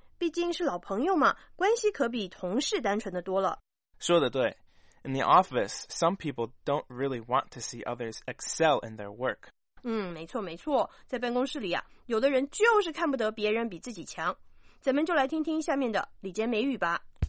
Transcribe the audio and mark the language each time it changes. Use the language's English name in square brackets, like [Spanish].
[Chinese] 毕竟是老朋友嘛，关系可比同事单纯的多了。说的对。 [English] In the office, some people don't really want to see others excel in their work. [Chinese] 没错没错。在办公室里啊，有的人就是看不得别人比自己强。咱们就来听听下面的礼节美语吧。